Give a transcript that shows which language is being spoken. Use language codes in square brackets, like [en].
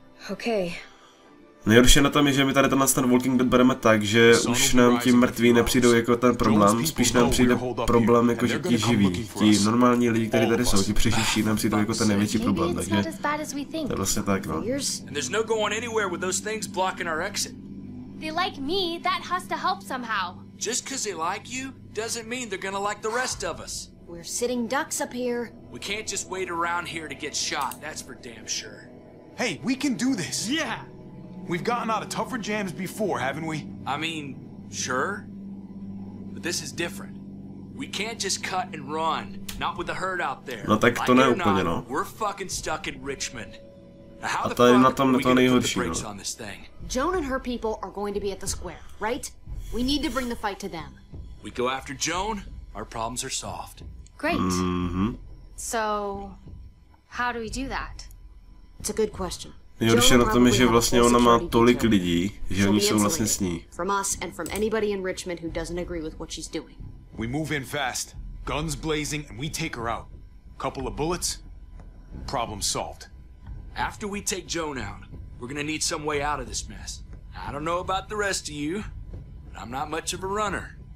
[en] Okay. [cs] Nejhorší na tom je, že my tady tenhle ten Walking Dead bereme tak, že už nám ti mrtví nepřijdou jako ten problém, spíš nám přijde problém jako, že ti živí. Ti normální lidi, kteří tady jsou, ti přeživší nám přijdou jako ten největší problém, takže to je vlastně tak, no. [en] And there's no going anywhere with those things blocking our exit. They like me, that has to help somehow. Just because they like you, doesn't mean they're gonna like the rest of us. We're sitting ducks up here. We can't just wait around here to get shot, that's for damn sure. Hey, we can do this. Yeah. We've gotten out of tougher jams before, haven't we? I mean, sure. But this is different. We can't just cut and run, not with the herd out there. [cs] No tak to ne úplně, no. [en] We're fucking stuck in Richmond. [cs] A to je na tom to nejhorší, no. [en] Joan and her people are going to be at the square, right? We need to bring the fight to them. We go after Joan, our problems are solved. Great. Mm-hmm. So, how do we do that? It's a good question. [cs] Jo, když je na tom, že vlastně ona má tolik lidí, že oni jsou vlastně s ní. [en] From us and from anybody in Richmond who doesn't agree with what she's doing. We move in fast, guns blazing, and we take her out. Couple of bullets, problem solved. After we take Joan out, we're gonna need some way out of this mess. I don't know about the rest of you, but I'm not much of a runner.